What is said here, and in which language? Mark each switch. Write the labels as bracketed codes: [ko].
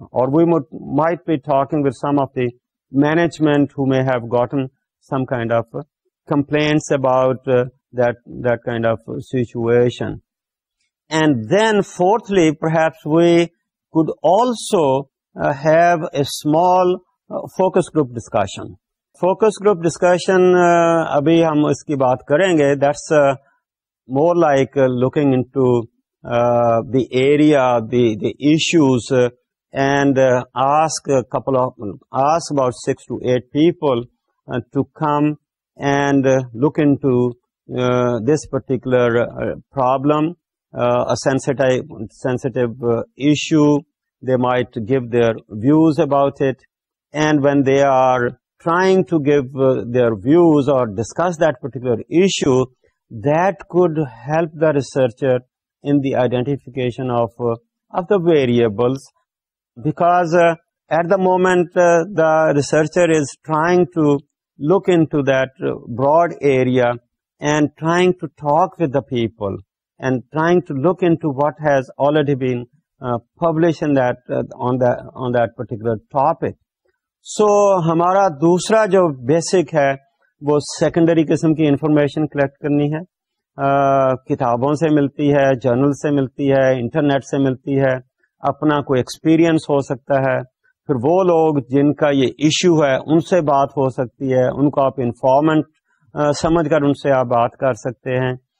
[en] Or we might be talking with some of the management who may have gotten some kind of complaints about that kind of situation. And then fourthly, perhaps we could also have a small focus group discussion. [ur] Focus group discussion ابھی ہم اس کی بات کریں گے. [en] That's more like looking into the area the issues and ask about 6 to 8 people to come and look into this particular problem sensitive issue. They might give their views about it and when they are trying to give their views or discuss that particular issue, that could help the researcher in the identification of the variables, because at the moment the researcher is trying to look into that broad area and trying to talk with the people and trying to look into what has already been published in that on that particular topic. [ur] سو ہمارا دوسرا جو basic ہے وہ secondary قسم کی information collect کرنی ہے, کتابوں سے ملتی ہے, جرنل سے ملتی ہے, انٹرنیٹ سے ملتی ہے, اپنا کوئی ایکسپیرئنس ہو سکتا ہے, پھر وہ لوگ جن کا یہ ایشو ہے ان سے بات ہو سکتی ہے, ان کو آپ انفارمنٹ سمجھ کر ان سے آپ بات کر سکتے ہیں,